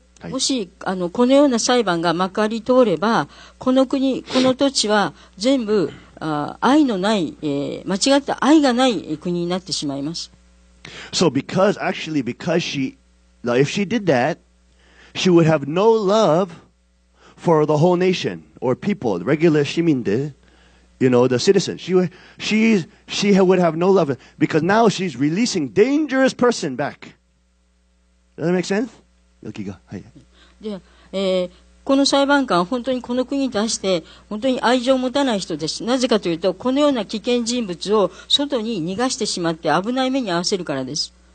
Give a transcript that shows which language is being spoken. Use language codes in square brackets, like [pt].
[ja] もしあのこのような裁判がまかり通れば、この国、この土地は全部愛のない、間違った愛がない国になってしまいます。 [en] So because, actually, because she, like, if she did that, she would have no love for the whole nation or people, regular [ja] 市民で。 [en] You know, the citizen. She would have no love because now she's releasing dangerous person back. Does that make sense? Yoki ga. Hi. [ja] で、この裁判官は本当にこの国に対して本当に愛情を持たない人です。なぜかというと、このような危険人物を外に逃がしてしまって危ない目に遭わせるからです。